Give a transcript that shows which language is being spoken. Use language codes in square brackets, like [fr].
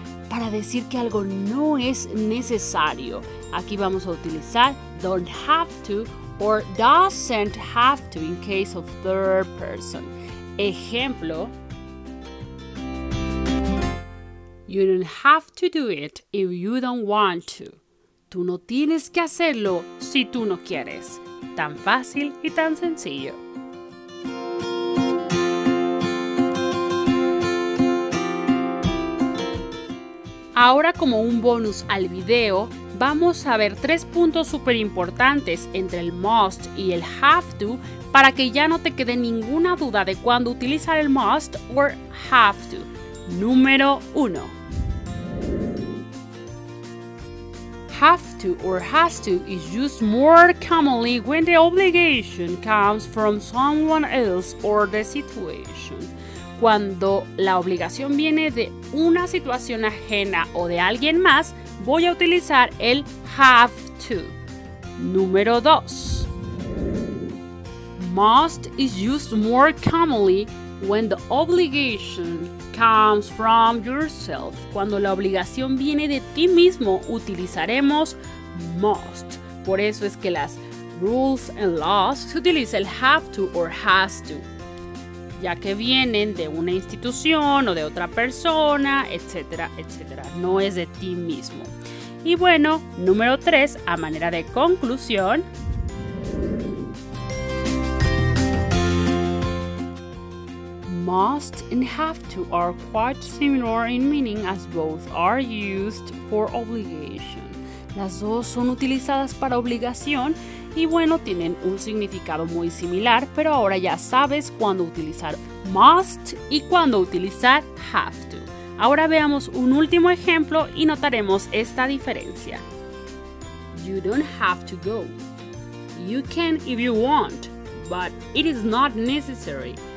[es] Para decir que algo no es necesario, aquí vamos a utilizar [en] don't have to or doesn't have to in case of third person. Ejemplo, you don't have to do it if you don't want to. [es] Tú no tienes que hacerlo si tú no quieres. Tan fácil y tan sencillo. Ahora, como un bonus al video, vamos a ver tres puntos súper importantes entre el must y el have to para que ya no te quede ninguna duda de cuándo utilizar el must or have to. Número 1. [en] Have to or has to is used more commonly when the obligation comes from someone else or the situation. [es] Cuando la obligación viene de una situación ajena o de alguien más, voy a utilizar el have to. Número 2. [en] Must is used more commonly when the obligation comes from yourself. [es] Cuando la obligación viene de ti mismo, utilizaremos must. Por eso es que las rules and laws se utiliza el have to or has to, ya que vienen de una institución o de otra persona, etcétera, etcétera. No es de ti mismo. Y bueno, número 3, a manera de conclusión, [en] must and have to are quite similar in meaning as both are used for obligation. [es] Las dos son utilizadas para obligación y bueno, tienen un significado muy similar, pero ahora ya sabes cuándo utilizar must y cuándo utilizar have to. Ahora veamos un último ejemplo y notaremos esta diferencia. [en] You don't have to go. You can if you want, but it is not necessary.